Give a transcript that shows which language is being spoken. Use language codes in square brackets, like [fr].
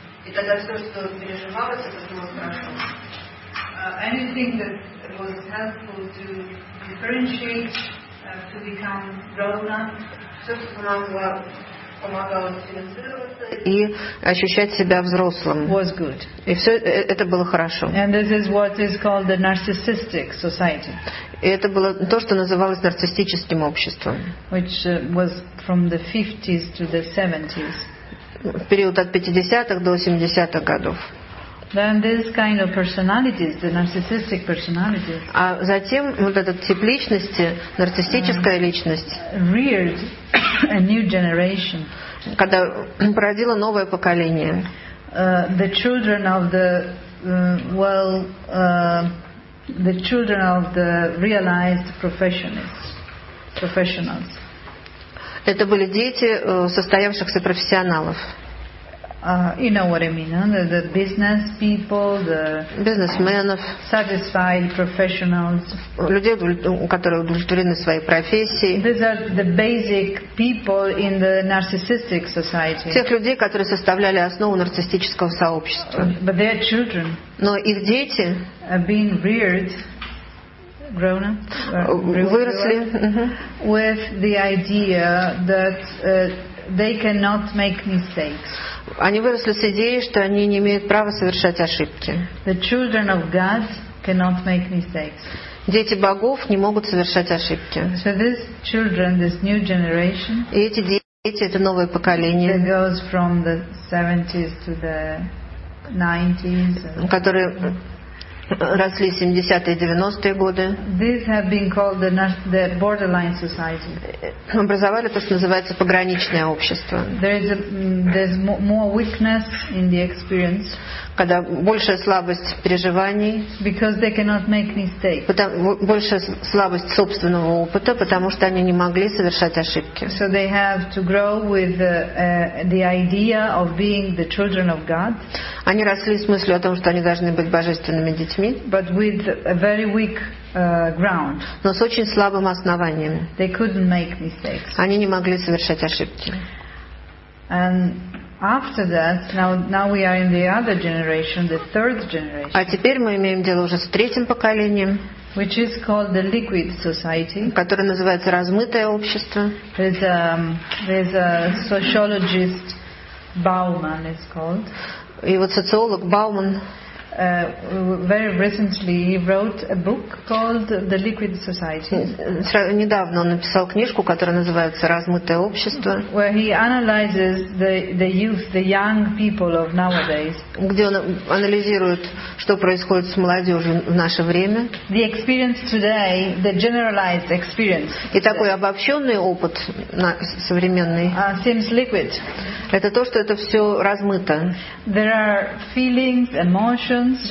[ru] И тогда все, что переживалось, это было хорошо. [en] Anything that was helpful to differentiate, to become grown up, [ru] все, что нам помогало и ощущать себя взрослым. [en] Was good. [ru] И все это было хорошо. [en] And this is what is called the narcissistic society. [ru] И это было то, что называлось нарциссическим обществом. [en] Which was from the 50s to the 70s. [ru] В период от 50-х до 70-х годов. [en] Then this kind of personalities, the narcissistic personalities. [ru] А затем вот этот тип личности, нарциссическая личность, [en] reared a new generation. [ru] Когда породило новое поколение. [en] The children of the the children of the realized professionals. [ru] Это были дети состоявшихся профессионалов. [en] You know what I mean, huh? The business people, the [ru] бизнесменов, [en] satisfied professionals, [ru] людей, которые удовлетворены своей профессией. [en] These are the basic people in the narcissistic society. [ru] Тех людей, которые составляли основу нарциссического сообщества. [en] But their children, [ru] но их дети, [en] being reared, grown up, [ru] выросли, [en] with the idea that they cannot make mistakes. [ru] Они выросли с идеей, что они не имеют права совершать ошибки. [en] The children of God cannot make mistakes. [ru] Дети богов не могут совершать ошибки. [en] So these children, this new generation, [ru] и эти дети, это новое поколение, [en] that goes from the 70s to the 90s, [ru] которые росли 70-е и 90-е годы. [en] These have been called the borderline society. [ru] Образовали то, что называется пограничное общество. [en] There's more weakness in the experience. [ru] Когда большая слабость переживаний. [en] Because they cannot make mistakes. [ru] Большая слабость собственного опыта, потому что они не могли совершать ошибки. [en] So they have to grow with the idea of being the children of God. [ru] Они росли с мыслью о том, что они должны быть божественными детьми. [en] But with a very weak ground. [ru] Но с очень слабым основанием. [en] They couldn't make mistakes. [ru] Они не могли совершать ошибки. [en] And after that, now we are in the other generation, the third generation. [ru] А теперь мы имеем дело уже с третьим поколением, [en] which is called the liquid society. [ru] Которое называется размытое общество. [en] There's a sociologist, Bauman is called. [ru] И вот социолог Бауман. [en] Very recently he wrote a book called The Liquid Society. [ru] Недавно он написал книжку, которая называется «Размытое общество», [en] where he analyzes the youth, the young people of nowadays. [ru] Где он анализирует, что происходит с молодежью в наше время. [en] The experience today, the generalized experience. [ru] И такой обобщенный опыт современный. [en] Seems liquid. [ru] Это то, что это все размыто. [en] There are feelings, emotions,